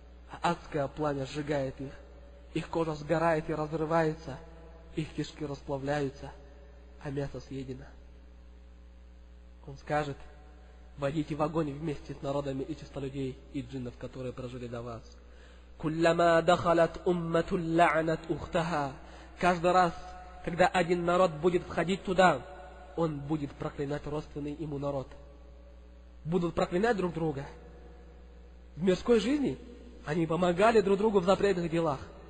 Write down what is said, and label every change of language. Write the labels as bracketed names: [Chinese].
[Russian] А адское пламя сжигает их. Их кожа сгорает и разрывается. Их кишки расплавляются, а мясо съедено. Он скажет: войдите в огонь вместе с народами и числа людей и джиннов, которые прожили до вас. [Arabic] كلما دخلت أمة لعنت أختها. [Russian] Каждый раз, когда один народ будет входить туда, он будет проклинать родственный ему народ. Будут проклинать друг друга. В мирской жизни они помогали друг другу в запретных делах.